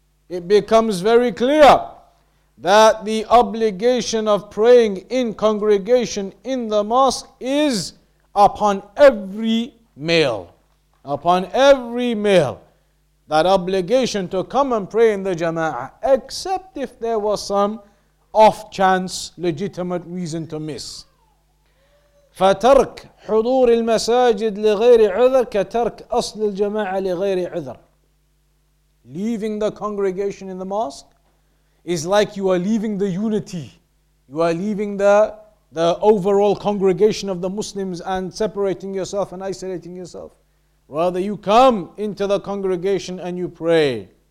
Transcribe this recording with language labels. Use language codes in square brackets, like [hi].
[en] It becomes very clear that the obligation of praying in congregation in the mosque is upon every male. Upon every male, that obligation to come and pray in the jama'ah, except if there was some off chance legitimate reason to miss. [ar] فترك حضور المساجد لغير عذر كترك أصل الجماعة لغير عذر. [en] Leaving the congregation in the mosque is like you are leaving the unity. You are leaving the overall congregation of the Muslims and separating yourself and isolating yourself. Rather, you come into the congregation and you pray.